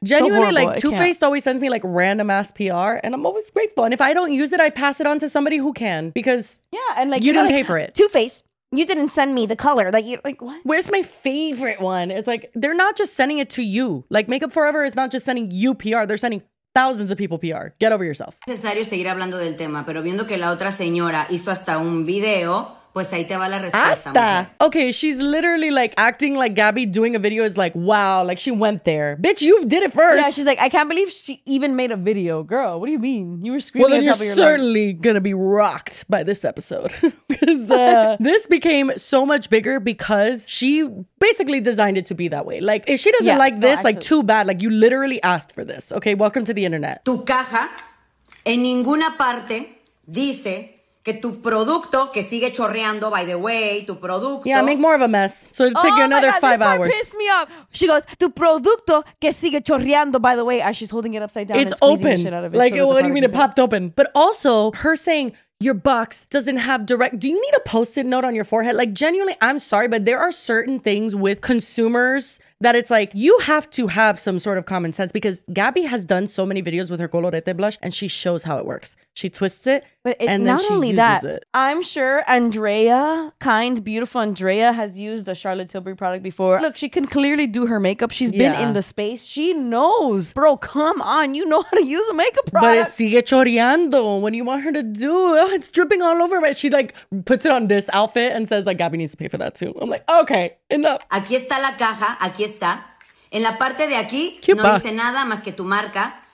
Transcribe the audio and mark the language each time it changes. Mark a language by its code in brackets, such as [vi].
[en] Genuinely, so like, Too Faced always sends me, like, random ass PR, and I'm always grateful. And if I don't use it, I pass it on to somebody who can, because and, like, you didn't, like, pay for it. Too Faced, you didn't send me the color that you, like, what? Where's my favorite one? It's like, they're not just sending it to you. Like, Makeup Forever is not just sending you PR, they're sending thousands of people PR. Get over yourself. [es] Es necesario seguir hablando del tema, pero viendo que la otra señora hizo hasta un video, pues ahí te va la respuesta. Hasta. [en] Okay, she's literally, like, acting like Gabby doing a video is, like, wow, like, she went there. Bitch, you did it first. Yeah, she's like, I can't believe she even made a video. Girl, what do you mean? You were screaming at top of your lungs. Well, then you're certainly going to be rocked by this episode. Because this became so much bigger because she basically designed it to be that way. Like, if she doesn't like this, like, too bad. Like, you literally asked for this. Okay, welcome to the internet. [es] Tu caja en ninguna parte dice que tu producto que sigue chorreando, [en] by the way, [es] tu producto. [en] Yeah, make more of a mess. So it'll take you another 5 hours. Oh my god, this part pissed me off. She goes, [es] tu producto que sigue chorreando, [en] by the way, as she's holding it upside down. It's open. Shit out of it, like, so what do you mean it popped open? But also, her saying, your box doesn't have direct... Do you need a post-it note on your forehead? Like, genuinely, I'm sorry, but there are certain things with consumers that it's like, you have to have some sort of common sense, because Gabby has done so many videos with her Colorete blush and she shows how it works. She twists it, but it, and then not she only uses that, it. I'm sure Andrea, kind, beautiful Andrea, has used a Charlotte Tilbury product before. Look, she can clearly do her makeup. She's been in the space. She knows. Bro, come on. You know how to use a makeup product. But it [es] sigue choreando. [en] What do you want her to do? Oh, it's dripping all over. But she, like, puts it on this outfit and says, like, Gabby needs to pay for that too. I'm like, okay, enough. [es] Aquí está la caja. Aquí está. En la parte de aquí, cute no box. Dice nada más que tu marca.